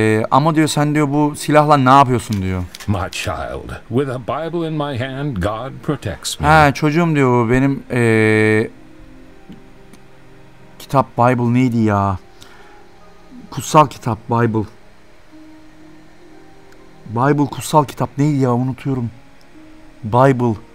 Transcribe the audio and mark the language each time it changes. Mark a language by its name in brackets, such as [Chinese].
[Turkish] Ama diyor sen diyor bu silahla ne yapıyorsun diyor. [English] My child, with a Bible in my hand, God protects me. [Turkish] Ha çocuğum diyor benim kitap Bible neydi ya? Kutsal kitap Bible. Bible kutsal kitap neydi ya, unutuyorum. Bible.